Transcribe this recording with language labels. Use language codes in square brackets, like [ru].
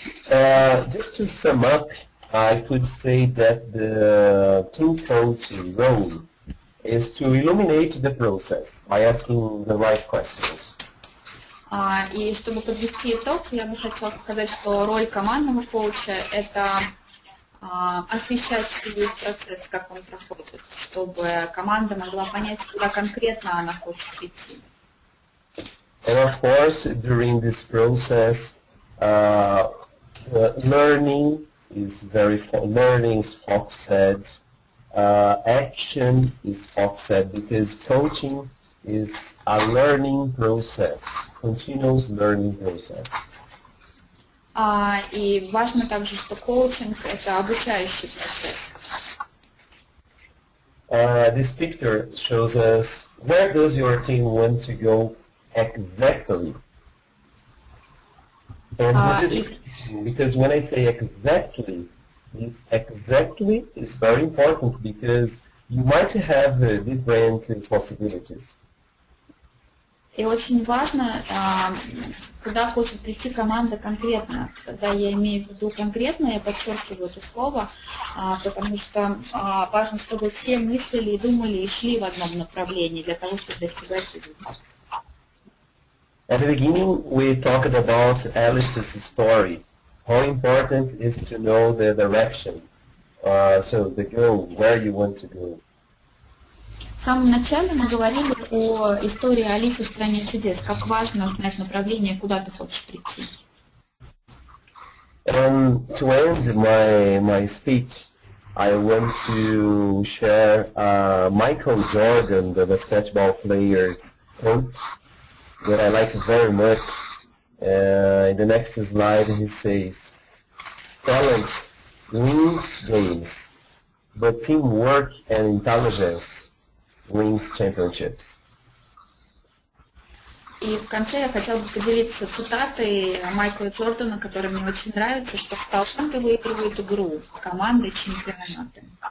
[en] Just to sum up, I could say that the team coach role is to illuminate the process by asking the right questions. [ru] И чтобы подвести итог, я бы хотела сказать, что роль командного коуча – это освещать весь процесс, как он проходит, чтобы команда могла понять, куда конкретно она хочет прийти. [en] And of course, during this process, learning is very learning is foxed. Action is foxed because coaching is a learning process, continuous learning process. [ru] И важно также, что коучинг это обучающий процесс. [en] This picture shows us where does your team want to go exactly. And what is it? Because when I say exactly, this exactly is very important because you might have different possibilities. [ru] И очень важно, куда хочет прийти команда конкретно. Тогда я имею в виду конкретно, я подчеркиваю это слово, потому что важно, чтобы все мыслили и думали и шли в одном направлении для того, чтобы достигать результата. [en] At the beginning, we talked about Alice's story. How important is to know the direction, so the goal, where you want to go. [ru] В самом начале мы говорили о истории Алисы в стране чудес. Как важно знать направление, куда ты хочешь прийти. [en] And to end my speech, I want to share Michael Jordan, the basketball player, quote. That I like very much. In the next slide, he says, "Talent wins games, but teamwork and intelligence wins championships." [ru] И в конце я хотел бы поделиться цитатой Майкла Джордана, которая мне очень нравится, что таланты выигрывают игру, команды чемпионаты.